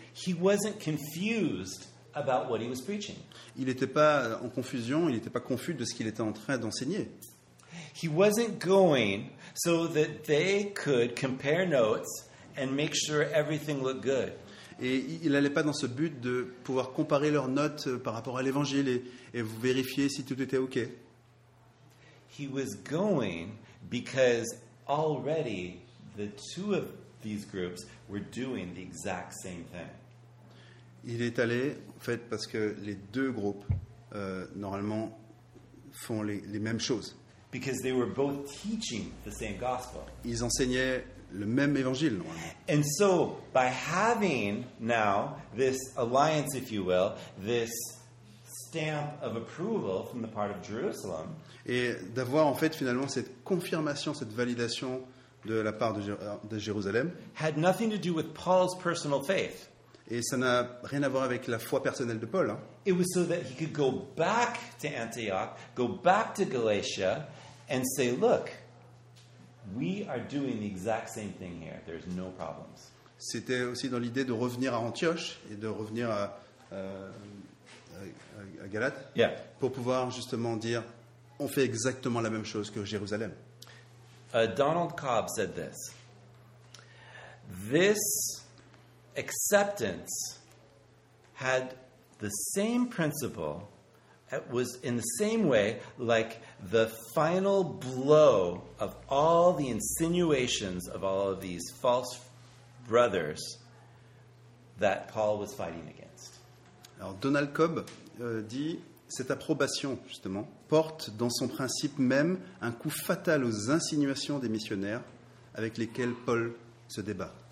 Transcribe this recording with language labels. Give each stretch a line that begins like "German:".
English: He wasn't confused about what he was preaching.
French: Il n'était pas en confusion, il n'était pas confus de ce qu'il était en train d'enseigner.
English: He wasn't going so that they could compare notes and make sure everything looked good.
French: Et il n'allait pas dans ce but de pouvoir comparer leurs notes par rapport à l'évangile et vous vérifier si tout était OK.
English: He was going because already the two of these groups were doing the exact same thing.
French: Il est allé en fait parce que les deux groupes normalement font les mêmes choses.
English: Because they were both teaching the same gospel.
French: Ils enseignaient le même évangile normalement.
English: And so by having now this alliance, if you will, this stamp of approval from the part of Jerusalem,
French: et d'avoir en fait finalement cette confirmation, cette validation de la part de Jérusalem,
English: had nothing to do with Paul's personal faith.
French: Et ça n'a rien à voir avec la foi personnelle de Paul. Hein.
English: It was so that he could go back to Antioch, go back to Galatia, and say, look, we are doing the exact same thing here. There's no problems.
French: C'était aussi dans l'idée de revenir à Antioche et de revenir à Galate, yeah, pour pouvoir justement dire, on fait exactement la même chose que Jérusalem.
English: Donald Cobb said this. This acceptance had the same principle, it was in the same way like the final blow of all the insinuations of all of these false brothers that Paul was fighting against.
French: Alors Donald Cobb dit, cette approbation justement porte dans son principe même un coup fatal aux insinuations des missionnaires avec lesquels Paul se débat.